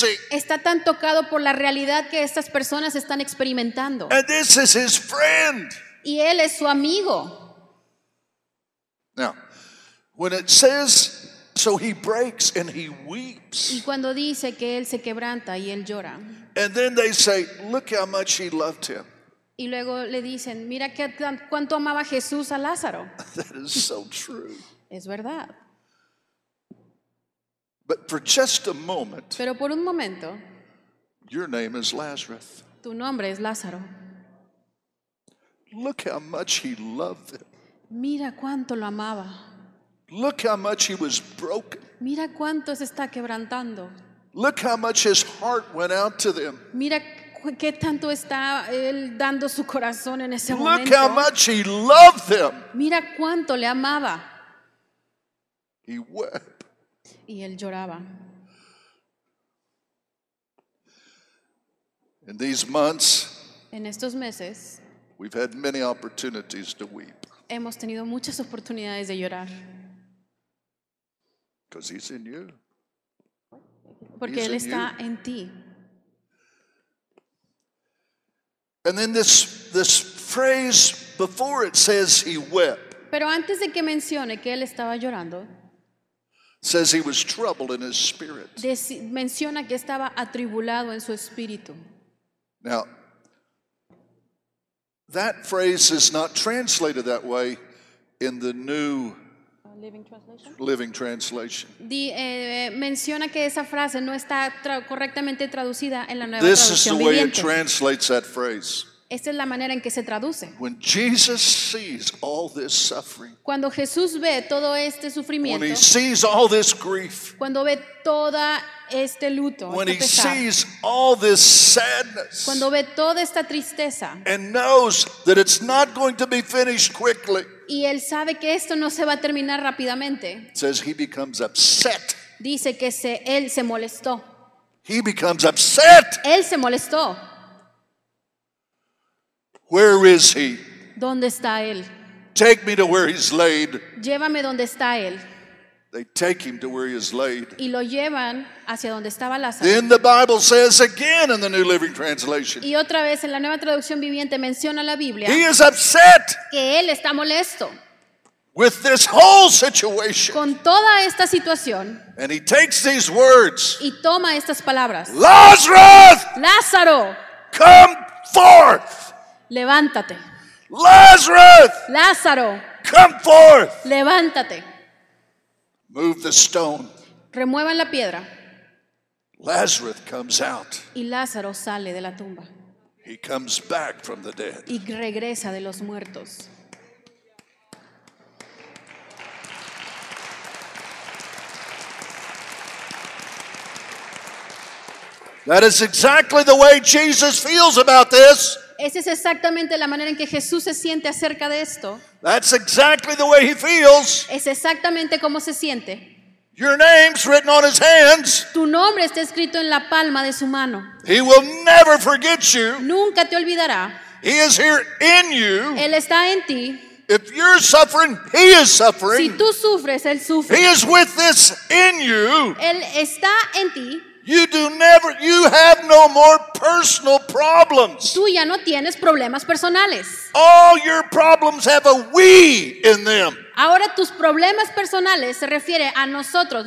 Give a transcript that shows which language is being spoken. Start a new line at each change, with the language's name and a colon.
Spanish: Está tan tocado por la realidad que estas personas están experimentando.
English: And this is his friend.
Spanish: Y él es su amigo.
English: Now, when it says, so he breaks and he weeps.
Spanish: Y cuando dice que él se quebranta y él llora.
English: And then they say, look how much he loved him.
Spanish: Y luego le dicen, mira cuánto amaba Jesús a Lázaro.
English: That is so true.
Spanish: Es verdad.
English: But for just a moment,
Spanish: pero por un momento,
English: your name is Lazarus.
Spanish: Tu nombre es Lázaro.
English: Look how much he loved him.
Spanish: Mira cuánto lo amaba.
English: Look how much he was broken.
Spanish: Mira cuánto se está quebrantando.
English: Look how much his heart went out to them.
Spanish: Mira qué tanto está él dando su corazón en ese momento.
English: Look how much he loved them.
Spanish: Mira cuánto le amaba.
English: He wept.
Spanish: y él lloraba.
English: In these months,
Spanish: en estos meses,
English: we've had many opportunities to weep.
Spanish: Hemos tenido muchas oportunidades de llorar.
English: Because he's in you.
Spanish: Porque
English: he's
Spanish: él está
English: you.
Spanish: En ti.
English: And then this phrase before it says he wept.
Spanish: Pero antes de que mencione que él estaba llorando,
English: says he was troubled in his spirit.
Spanish: Menciona que estaba atribulado en su espíritu.
English: Now, that phrase is not translated that way in the New Living Translation.
Spanish: Menciona que esa frase no está correctamente traducida en la Nueva
English: This
Spanish: Traducción
English: is the
Spanish: Viviente.
English: Way it translates that phrase.
Spanish: Esta es la manera en que se traduce.
English: When Jesus sees all this suffering,
Spanish: cuando Jesús ve todo este sufrimiento,
English: when he sees all this grief,
Spanish: cuando ve toda este luto,
English: when
Spanish: este
English: he
Spanish: pesar,
English: sees all this sadness,
Spanish: cuando ve toda esta tristeza,
English: and knows that it's not going to be finished quickly,
Spanish: y él sabe que esto no se va a terminar rápidamente,
English: says he becomes upset.
Spanish: Dice que él se molestó.
English: He becomes upset.
Spanish: Él se molestó.
English: Where is he?
Spanish: ¿Dónde está él?
English: Take me to where he's laid.
Spanish: Llévame donde está él.
English: They take him to where he is laid.
Spanish: Y lo llevan hacia donde estaba Lázaro.
English: Then the Bible says again in the New Living Translation.
Spanish: Y otra vez en la Nueva Traducción Viviente menciona la Biblia.
English: He is upset.
Spanish: Que él está molesto.
English: With this whole situation.
Spanish: Con toda esta situación.
English: And he takes these words.
Spanish: Y toma estas palabras.
English: Lazarus!
Spanish: Lázaro.
English: Come forth.
Spanish: Levántate.
English: Lazarus!
Spanish: Lázaro.
English: Come forth.
Spanish: Levántate.
English: Move the stone.
Spanish: Remuevan la piedra.
English: Lazarus comes out.
Spanish: Y Lázaro sale de la tumba.
English: He comes back from the dead.
Spanish: Y regresa de los muertos.
English: That is exactly the way Jesus feels about this.
Spanish: Esa es exactamente la manera en que Jesús se siente acerca de esto.
English: That's exactly the way he feels.
Spanish: Es exactamente como se siente.
English: Your name's written on his hands.
Spanish: Tu nombre está escrito en la palma de su mano.
English: He will never forget you.
Spanish: Nunca te olvidará.
English: He is here in you.
Spanish: Él está en ti.
English: If you're suffering, he is suffering.
Spanish: Si tú sufres, él sufre.
English: He is with this in you.
Spanish: Él está en ti.
English: You have no more personal problems.
Spanish: Tú ya no tienes problemas personales.
English: All your problems have a we in them.
Spanish: Ahora tus problemas personales se refiere a nosotros.